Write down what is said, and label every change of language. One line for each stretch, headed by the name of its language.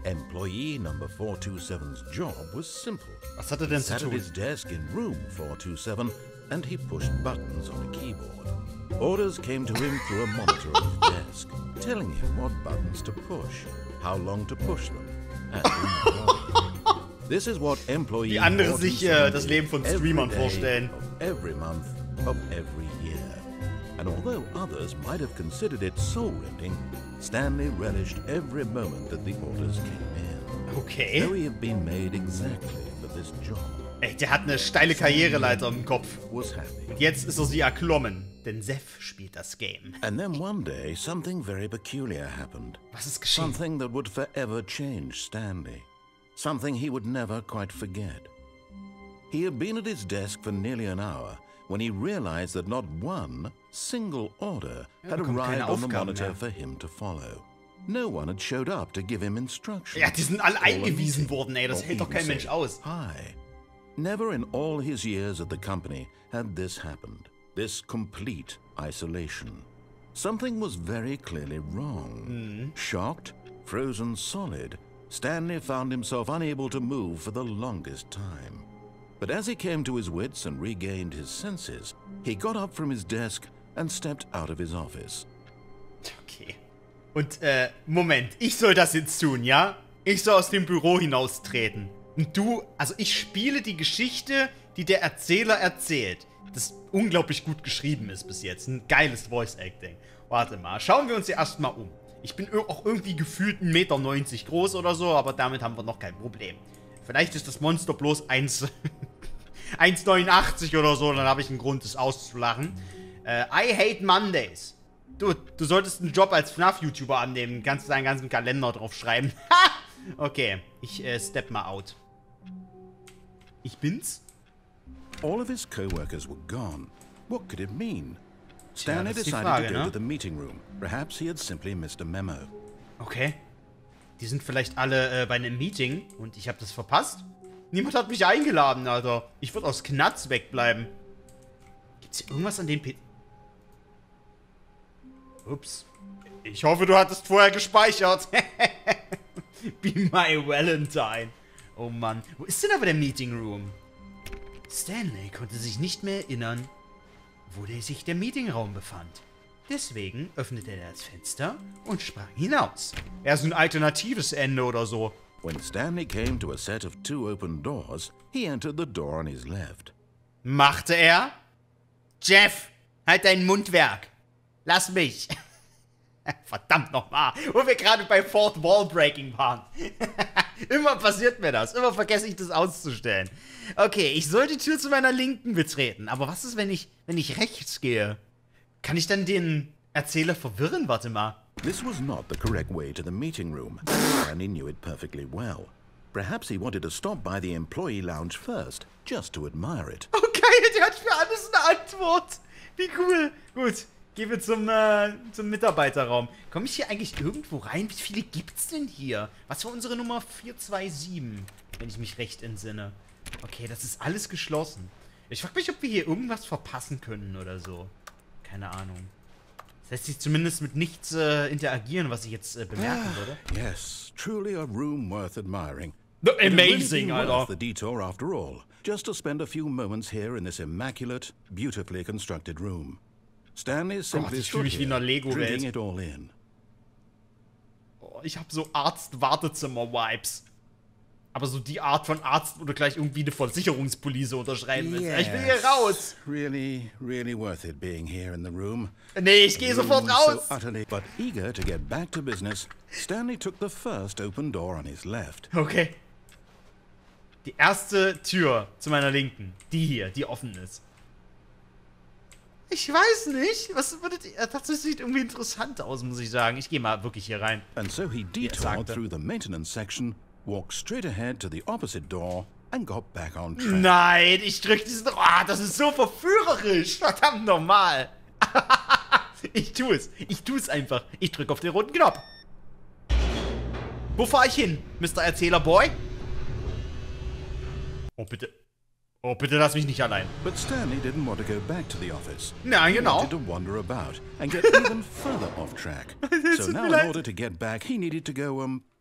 English: Employee number 427's job was simple.
German: Was hat er denn
English: he sat at his desk in room 427. And he pushed buttons on a keyboard. Orders came to him through a monitor on his desk, telling him what buttons to push, how long to push them, and in what order. This is what employees
German: die andere sich das Leben von Streamern vorstellen.
English: Every month of every year. And although others might have considered it soul-rending, Stanley relished every moment that the orders came in. Okay. Though he had been made exactly for this job.
German: Ey, der hat eine steile Karriereleiter im Kopf. Und jetzt ist er sie erklommen, denn Seth spielt das Game.
English: And then one day something very peculiar happened.
German: Was ist geschehen?
English: Something that would forever change Stanley. Something he would never quite forget. He had been at his desk for nearly an hour when he realized that not one single order had arrived on the monitor for him to follow. No one had showed up to give him instructions.
German: Ja, die sind alle eingewiesen worden, ey, das hält doch kein Mensch aus.
English: Hi. Never in all his years at the company had this happened, this complete isolation. Something was very clearly wrong. Mm. Shocked, frozen solid, Stanley found himself unable to move for the longest time. But as he came to his wits and regained his senses, he got up from his desk and stepped out of his office. Okay.
German: Und Moment, ich soll das jetzt tun, ja? Ich soll aus dem Büro hinaustreten. Und du, also ich spiele die Geschichte, die der Erzähler erzählt, das unglaublich gut geschrieben ist bis jetzt. Ein geiles Voice-Acting. Warte mal, schauen wir uns hier erstmal um. Ich bin auch irgendwie gefühlt 1,90 Meter groß oder so, aber damit haben wir noch kein Problem. Vielleicht ist das Monster bloß 1,89 oder so, dann habe ich einen Grund, das auszulachen.
English: I hate Mondays.
German: Du solltest einen Job als FNAF-YouTuber annehmen, kannst deinen ganzen Kalender drauf schreiben. Okay, ich step mal out. Ich bin's.
English: All of his co-workers were gone. What could it mean? Stanley decided to go to the meeting room. Perhaps he had simply missed a memo. Okay.
German: Die sind vielleicht alle bei einem Meeting und ich habe das verpasst. Niemand hat mich eingeladen, Alter. Ich würde aus Knatz wegbleiben. Gibt's hier irgendwas an dem PC? Ups. Ich hoffe, du hattest vorher gespeichert.
English: Be my Valentine.
German: Oh Mann. Wo ist denn aber der Meeting Room? Stanley konnte sich nicht mehr erinnern, wo sich der Meeting Raum befand. Deswegen öffnete er das Fenster und sprang hinaus. Er ist ein alternatives Ende oder so.
English: When Stanley came to a set of two open doors, he entered the door on his left.
German: Machte er? Jeff, halt dein Mundwerk. Lass mich. Verdammt nochmal, wo wir gerade bei Fourth Wall Breaking waren. Immer passiert mir das, immer vergesse ich das auszustellen. Okay, ich soll die Tür zu meiner Linken betreten, aber was ist, wenn ich rechts gehe? Kann ich dann den Erzähler verwirren? Warte mal.
English: This was not the correct way to the meeting room. Stanley knew it perfectly well. Perhaps he wanted to stop by the employee lounge first, just to admire it.
German: Okay, der hat für alles eine Antwort. Wie cool. Gut, gehen wir zum Mitarbeiterraum. Komme ich hier eigentlich irgendwo rein? Wie viele gibt's denn hier? Was war unsere Nummer 427, wenn ich mich recht entsinne? Okay, das ist alles geschlossen. Ich frage mich, ob wir hier irgendwas verpassen können oder so. Keine Ahnung. Das lässt sich zumindest mit nichts interagieren, was ich jetzt bemerken würde.
English: Yes, truly a room worth admiring. The amazing, Alter. Worth the detour after all. Just to spend a few moments here in this immaculate, beautifully constructed room. Stanley simply stood here, drinking it all in.
German: Oh, ich hab so Arzt-Wartezimmer-Vibes. Aber so die Art von Arzt, wo du gleich irgendwie eine Versicherungspolice unterschreiben willst.
English: Yes.
German: Ich will hier raus.
English: Really, really worth it being here in the room.
German: Nee, ich gehe sofort raus.
English: So utterly, but eager to get back to business, Stanley took the first open door on his left. Okay.
German: Die erste Tür zu meiner Linken. Die hier, die offen ist. Ich weiß nicht. Was würdet ihr... Das sieht irgendwie interessant aus, muss ich sagen. Ich gehe mal wirklich hier rein.
English: And so he detoured through the maintenance section, walked straight ahead to the opposite door and got back on track.
German: Nein, ich drück diesen... Oh, das ist so verführerisch. Verdammt nochmal. Ich tue es. Ich tue es einfach. Ich drück auf den roten Knopf. Wo fahre ich hin, Mr. Erzählerboy? Oh, bitte. Oh, bitte lass mich nicht allein.
English: But Stanley didn't want to go back to the office.
German: Na, genau.
English: He wanted to wander about and get even further off track. So now in order to get back, he needed to go,